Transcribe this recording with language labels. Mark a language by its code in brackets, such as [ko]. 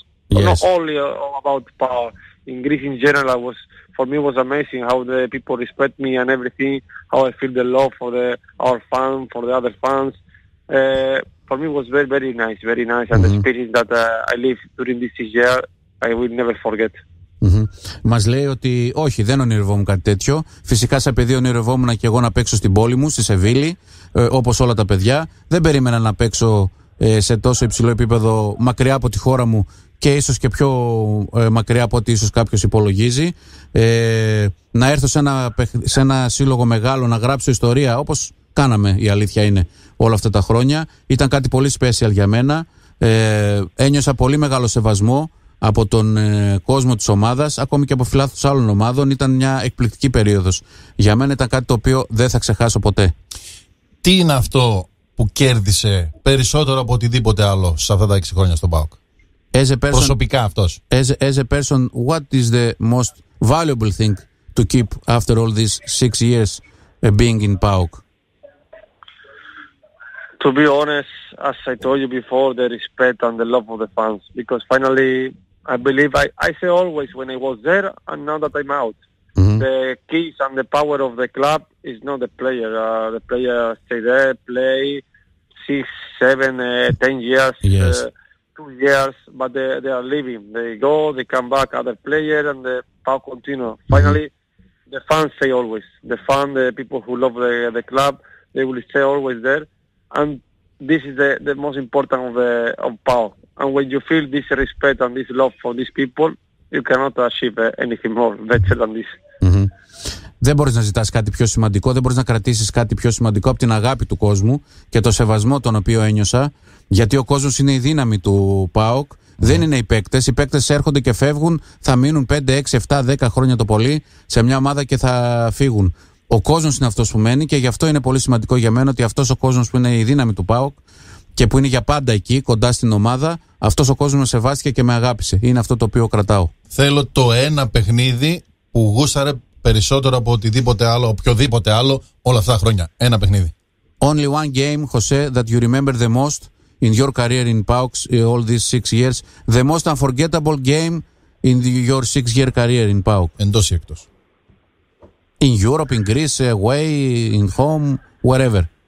[en] Not only about power. In Greece in general, for me it was amazing how the people respect me and everything, how I feel the love for our fans, for the other fans. For me it was very, very nice, very nice. And the experience that I lived during this year, I will never forget. [el] Μας λέει ότι όχι, δεν ονειρευόμουν κάτι τέτοιο. Φυσικά σε παιδί ονειρευόμουν και εγώ να παίξω στην πόλη μου, στη Σεβίλη, όπως όλα τα παιδιά. Δεν περίμενα να παίξω σε τόσο υψηλό επίπεδο μακριά από τη χώρα μου, και ίσως και πιο μακριά από ό,τι ίσως κάποιος υπολογίζει. Να έρθω σε ένα σύλλογο μεγάλο, να γράψω ιστορία, όπως κάναμε, η αλήθεια είναι, όλα αυτά τα χρόνια. Ήταν κάτι πολύ special για μένα. Ένιωσα πολύ μεγάλο σεβασμό από τον κόσμο της ομάδας, ακόμη και από φιλάθλους άλλων ομάδων. Ήταν μια εκπληκτική περίοδος. Για μένα ήταν κάτι το οποίο δεν θα ξεχάσω ποτέ. Τι είναι αυτό που κέρδισε περισσότερο από οτιδήποτε άλλο σε αυτά τα 6 χρόνια στον ΠΑΟΚ? Προσωπικά αυτός. [en] As a person, what is the most valuable thing to keep after all these 6 years being in ΠΑΟΚ? To be honest, as I told you before, the respect and the love of the fans. Because finally, I believe, I say always when I was there and now that I'm out. The keys and the power of the club is not the player. The player stay there, play 6, 7, 10 years, 2 years, but they are leaving. They go, they come back, other player, and the power continue. Finally, the fans say always. The fans, the people who love the club, they will stay always there. And this is the most important of power. And when you feel this respect and this love for these people, you cannot achieve anything more better than this. Mm-hmm. [el] Δεν μπορείς να ζητάς κάτι πιο σημαντικό, δεν μπορείς να κρατήσεις κάτι πιο σημαντικό από την αγάπη του κόσμου και το σεβασμό τον οποίο ένιωσα, γιατί ο κόσμος είναι η δύναμη του ΠΑΟΚ. Yeah. Δεν είναι οι παίκτες. Οι παίκτες έρχονται και φεύγουν, θα μείνουν 5, 6, 7, 10 χρόνια το πολύ σε μια ομάδα και θα φύγουν. Ο κόσμος είναι αυτός που μένει και γι' αυτό είναι πολύ σημαντικό για μένα ότι αυτός ο κόσμος που είναι η δύναμη του ΠΑΟΚ και που είναι για πάντα εκεί, κοντά στην ομάδα, αυτός ο κόσμος με σεβάστηκε και με αγάπησε. Είναι αυτό το οποίο κρατάω. Θέλω το ένα παιχνίδι που γούσαρε περισσότερο από οτιδήποτε άλλο, οποιοδήποτε άλλο, όλα αυτά τα χρόνια. Ένα παιχνίδι. [en] Only one game, Jose, that you remember the most in your career in PAOK all these 6 years. The most unforgettable game in your 6-year career in PAOK. [el] Εντός ή εκτός. [en] In Europe, in Greece, away, in home, wherever.